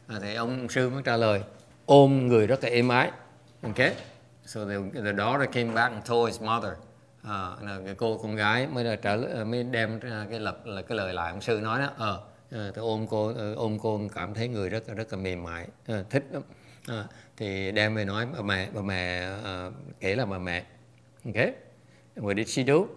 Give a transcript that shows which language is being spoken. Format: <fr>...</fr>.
<vi>Thì ông sư mới trả lời ôm người rất là êm ái.</vi> <en>Okay, so the daughter came back and told his mother.</en> <vi>Cái cô con gái mới là trả mới đem cái lời lại ông sư nói đó. Tôi ôm cô cảm thấy người rất là mềm mại, thích lắm. Thì đem về nói bà mẹ kể là bà mẹ.</vi> <en>Okay, what did she do?</en>